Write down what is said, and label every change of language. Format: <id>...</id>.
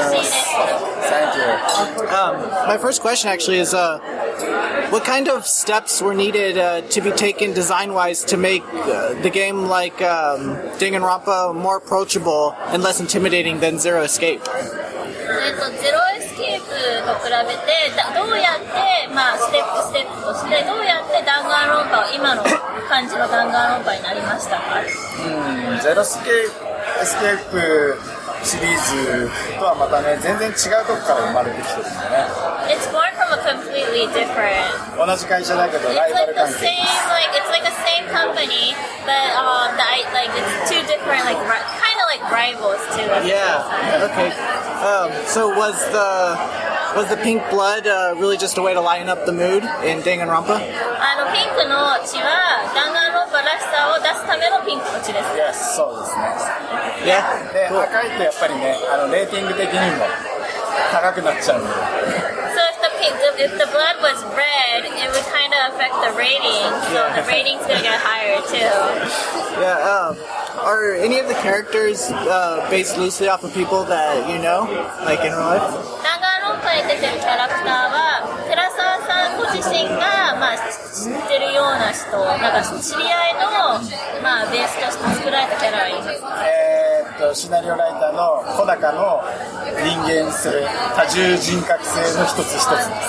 <en>My first question actually is, what kind of steps were needed to be taken design-wise to make the game like Danganronpa more approachable and less intimidating than Zero Escape?</en> <ja>Zero Escape と比べてどうやって、まあ、ステップステップとしてどうやって弾丸論破を今の感じの弾丸論破になりましたか？ゼロスケープ、エスケープシリーズとはまたね全然違うとこから生まれてきてるんだね。</ja> <en>It's born from a completely different</en> <ja>同じ会社だけどライバル関係。</ja> <en>It's like the same, like, it's like the same company but that, like, it's two different like, kind of like rivals too. Yeah, okay. So was the pink blood really just a way to lighten up the mood in Danganronpa?</en> <ja>Pink の血は Danganronpa らしさを出すためのピンクの血です。 Yes, そうですね。</ja> <en>Yeah, で、cool.</en> <ja>赤いとやっぱりね、レーティング的にも高くなっちゃうんで。</ja> <en>So if the, pink, if the blood was red, it would kind of affect the rating, so the rating's gonna get higher too. Yeah, are any of the characters based loosely off of people that you know, like in real life?</en> <ja>Danganronpa に出てるキャラクターは、寺澤さんご自身が、まあ、知ってるような人、なんか知り合いの、まあ、ベースとして作られたキャラがいますか？シナリオライターの小高の人間性、多重人格性の一つ一つです。</ja>